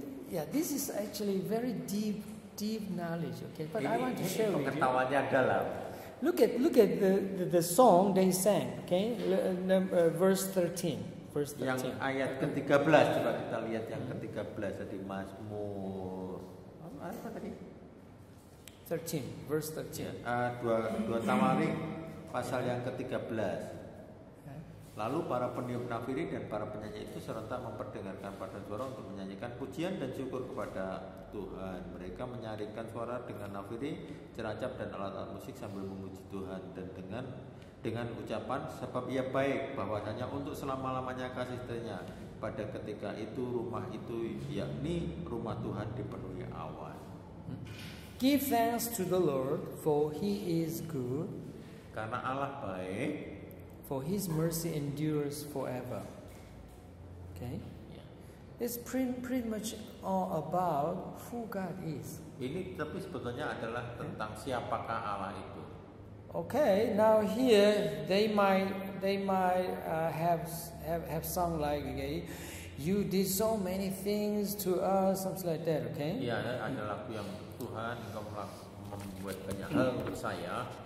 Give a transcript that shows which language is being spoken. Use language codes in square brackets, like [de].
[en] Yeah, this is actually very deep knowledge, okay? But I want to share with you. Look at the song they sang, okay? Verse 13. [id] Yang ayat ke-13, coba kita lihat yang ke-13 tadi, Mazmur. Apa tadi? 13, [en] verse 13. [id] Ya, dua Tawarikh pasal yang ke-13. Lalu para peniup nafiri dan para penyanyi itu serentak memperdengarkan pada suara untuk menyanyikan pujian dan syukur kepada Tuhan. Mereka menyaringkan suara dengan nafiri, ceracap dan alat-alat musik sambil memuji Tuhan dan dengan ucapan sebab ia baik, bahwasanya untuk selama-lamanya kasih setianya pada ketika itu rumah itu yakni rumah Tuhan dipenuhi awan. [en] Give thanks to the Lord, for He is good. [id] Karena Allah baik. [en] For His mercy endures forever. Okay. Yeah. It's pretty much all about who God is. [id] Ini tapi sebetulnya adalah tentang siapakah Allah itu. [en] Okay, now here they might have sung like, okay, you did so many things to us, something like that, okay? [id] Iya, ada lagu yang Tuhan telah membuat banyak hal untuk saya.